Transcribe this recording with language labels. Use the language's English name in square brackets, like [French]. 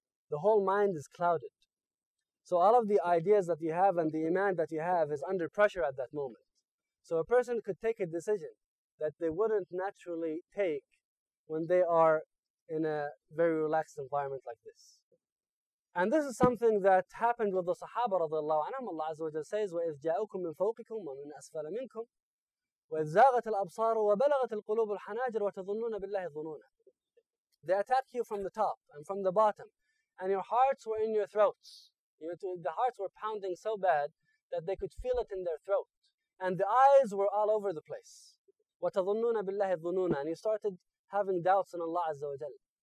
[English] The whole mind is clouded. So all of the ideas that you have and the iman that you have is under pressure at that moment. So a person could take a decision that they wouldn't naturally take when they are in a very relaxed environment like this. And this is something that happened with the Sahaba radiallahu anhum. [Arabic] Allah Azza wa Jalla says, وَإِذْ جَاءُكُمْ مِنْ فَوْقِكُمْ وَمِنْ أَسْفَلَ مِنْكُمْ وَإِذْ زَاغَتِ الْأَبْصَارُ وَبَلَغَتِ الْقُلُوبُ الْحَنَاجِرُ وَتَظُنُّونَ بِاللَّهِ ظُنُونَ. [English] They attack you from the top and from the bottom. And your hearts were in your throats. The hearts were pounding so bad that they could feel it in their throat. And the eyes were all over the place. [Arabic] وَتَظُنُّونَ بِاللَّهِ ظُنُونَ. [English] And you started having doubts in Allah Azza wa Jal.